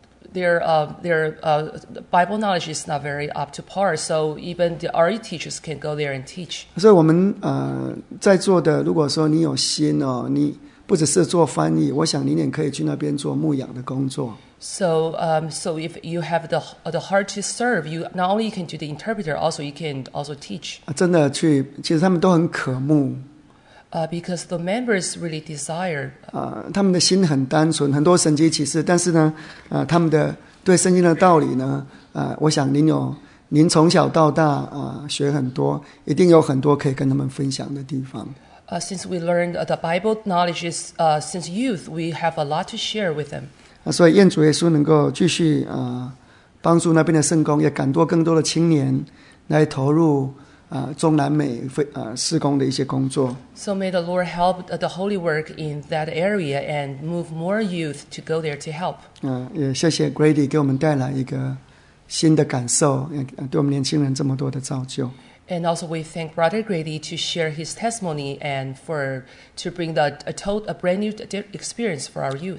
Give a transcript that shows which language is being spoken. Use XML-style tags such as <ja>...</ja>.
<en>Their Bible knowledge is not very up to par, so even the RE teachers can go there and teach.</en> <zh>所以我们在座的，如果说你有心哦，你。不只是做翻译，我想您也可以去那边做牧养的工作。</zh> <en>So if you have the heart to serve, you not only can do the interpreter, also you can also teach.</en> <zh>真的去，其实他们都很渴慕。</zh> <en>Because the members really desire.</en> <zh>他们的心很单纯，很多神迹奇事，但是呢，他们的对圣经的道理呢，我想您从小到大学很多，一定有很多可以跟他们分享的地方。</zh> <en>Since we learned the Bible knowledge is since youth, we have a lot to share with them.</en> <zh>所以愿主耶稣能够继续帮助那边的圣工，也感动更多的青年来投入中南美事工的一些工作。</zh> <en>So may the Lord help the holy work in that area and move more youth to go there to help.</en> <zh>也谢谢 Grady 给我们带来一个新的感受，对我们年轻人这么多的造就。</zh> <en>And also, we thank Brother Grady to share his testimony and to bring a brand new experience for our youth.</en>